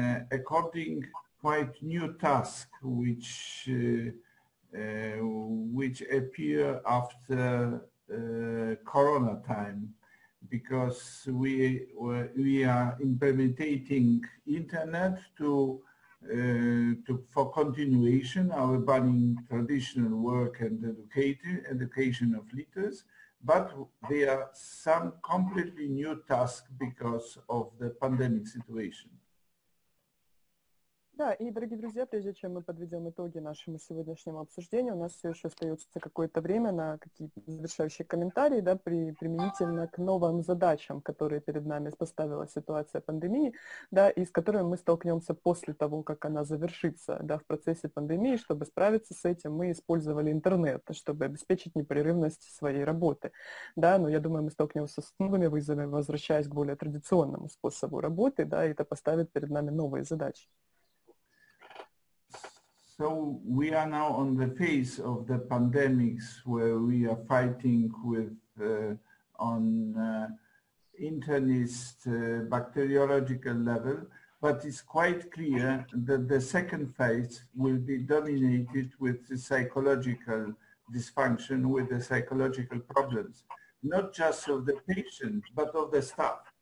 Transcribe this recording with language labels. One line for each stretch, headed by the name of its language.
English: according quite new task which appear after Corona time, because we are implementing internet for continuation our burning traditional work and education of leaders, but there are some completely new tasks because of the pandemic situation.
Russian: Да, и, дорогие друзья, прежде чем мы подведем итоги нашему сегодняшнему обсуждению, у нас все еще остается какое-то время на какие-то завершающие комментарии, да, применительно к новым задачам, которые перед нами поставила ситуация пандемии, да, и с которыми мы столкнемся после того, как она завершится, да, в процессе пандемии. Чтобы справиться с этим, мы использовали интернет, чтобы обеспечить непрерывность своей работы, да, но я думаю, мы столкнемся с новыми вызовами, возвращаясь к более традиционному способу работы, да, и это поставит перед нами новые задачи.
English: So we are now on the face of the pandemics where we are fighting with internist bacteriological level, but it's quite clear that the second phase will be dominated with the psychological dysfunction, with the psychological problems, not just of the patient, but of the staff.